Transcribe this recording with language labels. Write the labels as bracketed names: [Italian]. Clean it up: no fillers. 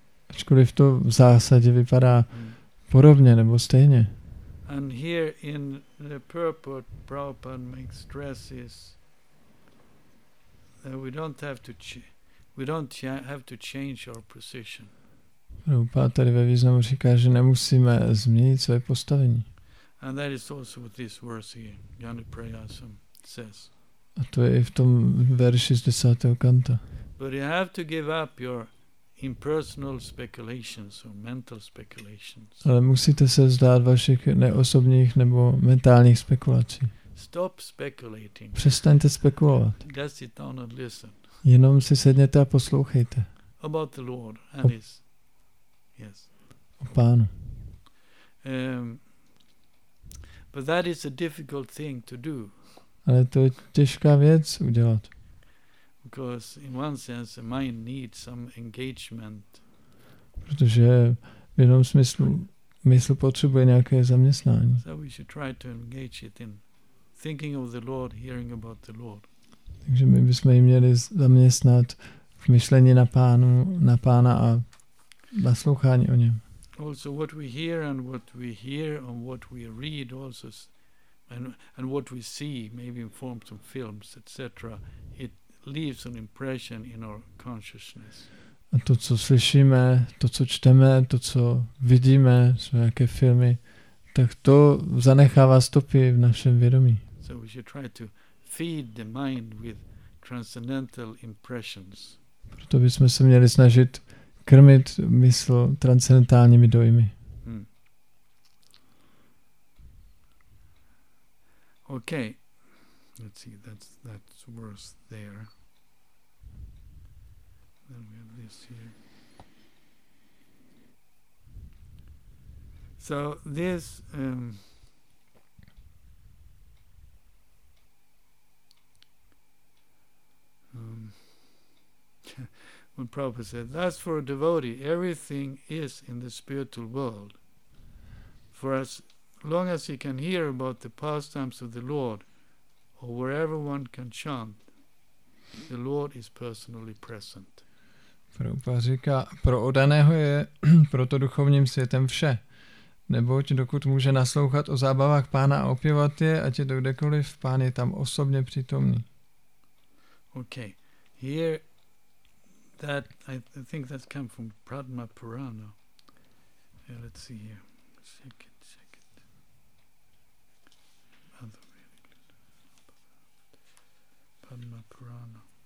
[Czech] Ačkoliv to v zásadě vypadá podobně nebo stejně. [English] And here in the purport, Prabhupada makes stresses that we don't have to change our position. [Czech] Prabhupada tady ve významu říká, že nemusíme změnit své postavení. [English] And that is also what this verse here, Jnana Prayasam, says. [Czech] A to je i v tom verši z 10. kanta. [English] But you have to give up your impersonal speculations or mental speculations. [Czech] Ale musíte se vzdát vašich neosobních nebo mentálních spekulací. [English] Stop speculating. [Czech] Přestaňte spekulovat. [English] Just sit down and listen. [Czech] Jenom si sedněte a poslouchejte. [English] About the Lord and his. Yes. [Czech] O Pánu. [English] But that is a difficult thing to do. [Czech] Ale to je těžká věc udělat. [English] Because in one sense the mind needs some engagement. [Czech] Protože v jednom smyslu mysl potřebuje nějaké zaměstnání. [English] So we should try to engage it in thinking of the Lord, hearing about the Lord. [Czech] Takže my bychom ji měli zaměstnat v myšlení na Pánu, na Pána a naslouchání o něm. [English] Also what we hear and what we hear and what we read also and what we see, maybe in forms of films, etc., it leaves an impression in our consciousness. [Czech] A to, co slyšíme, to, co čteme, to, co vidíme, jsou nějaké filmy, tak to zanechává stopy v našem vědomí. [English] So we should try to feed the mind with transcendental impressions. [Czech] Proto bychom se měli snažit krmit mysl transcendentálními dojmy. [English] Okay. Let's see, that's worse there. Then we have this here. So this when Prabhupada said, "Thus, for a devotee, everything is in the spiritual world. For as long as he can hear about the pastimes of the Lord, or wherever one can chant, the Lord is personally present." [Czech] Prabhupada říká, pro oddaného je proto duchovním světem vše. Neboť dokud může naslouchat o zábavách Pána a opěvat je, ať je to kdekoliv, Pán je tam osobně přítomný. [English] Okay. Here that I think that's come from Padma Purana. Yeah, let's see here. Check it. Padma Purana.